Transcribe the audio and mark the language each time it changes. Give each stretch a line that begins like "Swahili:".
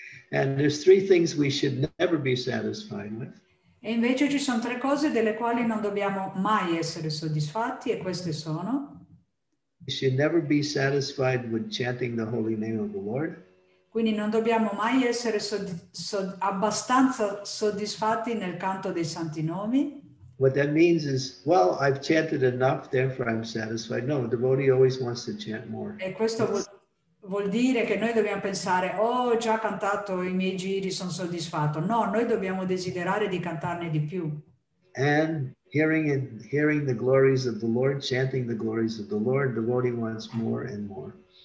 English: And there's three things we should never be satisfied with.
Italian: E invece ci sono tre cose delle quali non dobbiamo mai essere soddisfatti, e queste sono.
English: We should never be satisfied with chanting the holy name of the Lord.
Italian: Quindi non dobbiamo mai essere abbastanza soddisfatti nel canto dei santi nomi.
English: What that means is, well, I've chanted enough, therefore I'm satisfied. No, a devotee always wants to chant more.
Italian: E questo vuol dire che noi dobbiamo pensare, oh, ho già cantato i miei giri, sono soddisfatto. No, noi dobbiamo desiderare di cantarne di più.
English: And hearing the glories of the Lord, chanting the glories of the Lord, the devotee wants more and more.